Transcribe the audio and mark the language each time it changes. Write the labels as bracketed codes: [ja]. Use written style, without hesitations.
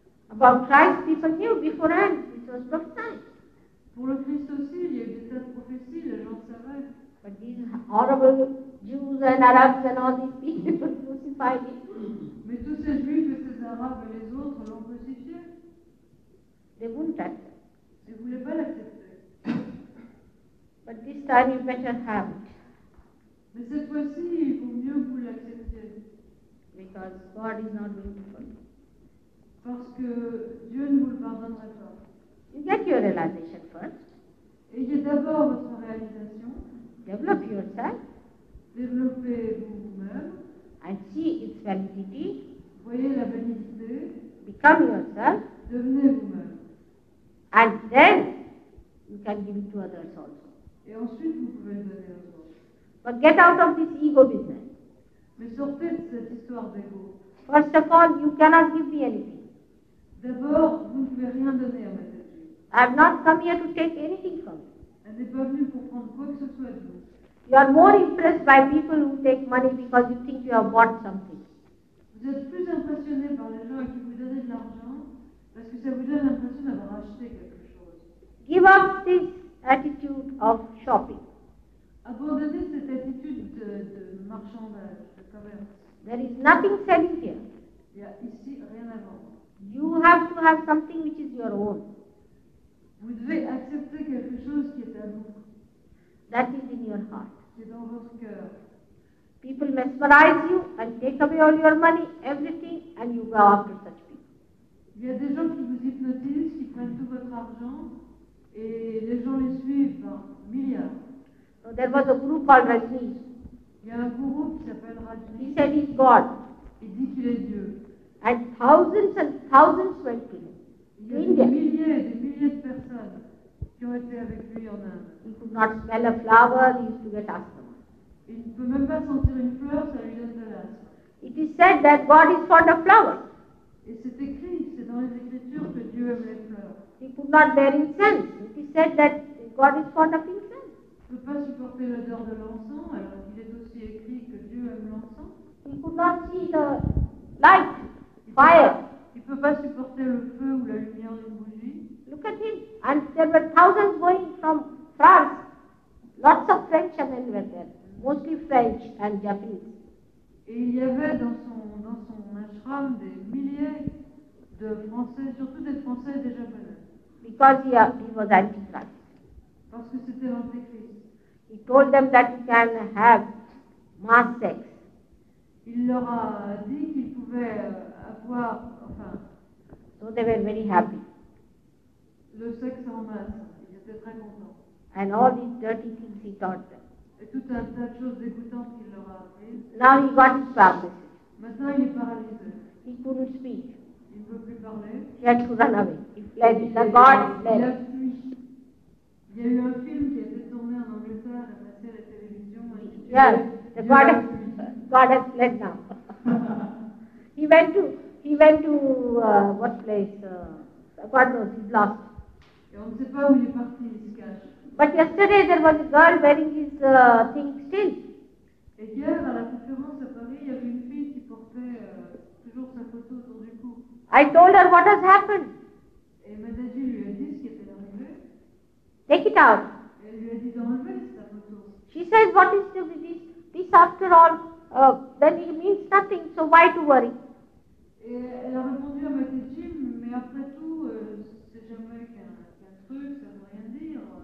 [en] About Christ, people knew beforehand, it was prophesied. [fr] Pour le Christ aussi, il y a eu des tas de prophéties, les gens savaient. [en] But these horrible Jews and Arabs and all these people crucified him. [fr] Mais tous ces Juifs et ces Arabes et les autres l'ont crucifié. [en] They wouldn't accept. [fr] Ils ne voulaient pas l'accepter. [en] But this time you better have it. [fr] Mais cette fois-ci, il vaut mieux que vous l'acceptiez. [en] Because God is not going to forgive. [fr] Parce que Dieu ne vous le pardonnerait pas. [en] You get your realization first. [fr] Ayez d'abord votre réalisation. [en] Develop yourself. [fr] Développez vous-même. [en] And see its validity. [fr] Voyez la validité. [en] Become yourself. [fr] Devenez vous-même. [en] And then you can give it to others also. [fr] Et ensuite vous pouvez le donner aux autres. [en] But get out of this ego business. [fr] Mais sortez de cette histoire d'ego. [en] First of all, you cannot give me anything. [fr] D'abord, vous ne pouvez rien donner à Mataji. [en] I have not come here to take anything from you. [fr] Elle n'est pas venue pour prendre quoi que ce soit de vous. [en] You are more impressed by people who take money because you think you have bought something. [fr] Vous êtes plus impressionné par les gens qui vous donnent de l'argent parce que ça vous donne l'impression d'avoir acheté quelque chose. [en] Give up this attitude of shopping. [fr] Abandonnez cette attitude de marchandage. [en] There is nothing selling here. Yeah, [fr] ici, rien à vendre. [en] You have to have something which is your own. [fr] Vous devez accepter quelque chose qui est à vous. [en] That is in your heart. [fr] C'est dans votre cœur. [en] People mesmerize you and take away all your money, everything, and you go after such people. [fr] Il y a des gens qui vous hypnotisent, qui prennent tout votre argent, et les gens les suivent par milliards. [en] So there was a guru called Rajni. [fr] Il y a un guru qui s'appelle Rajni. [en] He said he's God. [fr] Il dit qu'il est Dieu. [en] And thousands went to him. [fr] Des milliers de personnes qui ont été avec lui en Inde. [en] He could not smell a flower, he used to get asthma. [fr] Il ne peut même pas sentir une fleur, ça lui donne de l'asthme. [en] It is said that God is fond of flowers. [fr] Et c'est écrit, c'est dans les écritures que Dieu aime les fleurs. [en] He could not bear incense. It is said that God is fond of incense. [fr] Il ne peut pas supporter l'odeur de l'encens, alors il est aussi écrit que Dieu aime l'encens. [en] He could not see the light, fire. [fr] Il ne peut pas supporter le feu ou la lumière d'une bougie. [en] Look at him. And there were thousands going from France. Lots of Frenchmen were there. Mostly French and Japanese. [fr] Et il y avait dans son ashram des milliers de Français, surtout des Français et des Japonais. [en] Because he was anti-Christ. [fr] Parce que c'était l'antéchrist. [en] He told them that you can have mass sex. [fr] Il leur a dit qu'ils pouvaient avoir. [en] So they were very happy. [fr] Le sexe en masse, ils étaient très contents. [en] And all these dirty things he taught them. [fr] Et tout un tas de choses dégoûtantes qu'il leur a appris. [en] Now he got his paralysis. [fr] Maintenant il est paralysé. [en] He couldn't speak. [fr] Il ne peut plus parler. [en] He had to run away. He fled. The God fled. [fr] Il a fui. Il y a eu un film qui a été tourné en Angleterre, passé à la télévision. [en] Yes, the God has fled now. He went to what place? God knows, he's lost. [fr] Et on ne sait pas où il est parti, il se cache. [en] But yesterday there was a girl wearing his thing still. [fr] Et hier, à la conférence à Paris, il y avait une fille qui portait toujours sa photo autour du cou. [en] I told her what has happened. [fr] Et Mataji lui a dit ce qui était arrivé. [en] Take it out. [fr] Et elle lui a dit d'enlever sa photo. [en] She says, what is to be this? This after all, then it means nothing, so why to worry? [fr] Et elle a répondu à Mataji, mais après tout, c'est jamais qu'un truc, ça ne veut rien dire.